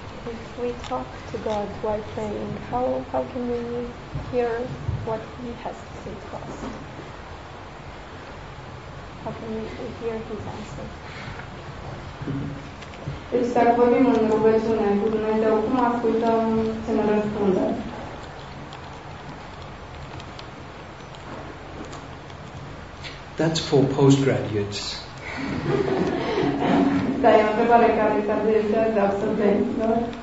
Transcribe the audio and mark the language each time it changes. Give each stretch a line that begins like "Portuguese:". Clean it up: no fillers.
English: If we talk to God while praying, how can we hear what He has to say to us? How can we hear His answer?
Romanian: Deci dacă vorbim în rugăciune cu Dumnezeu, cum ascultăm să ne răspundă?
English: That's for postgraduates.
Romanian: Da, e o întrebare care se adresează absolvenților.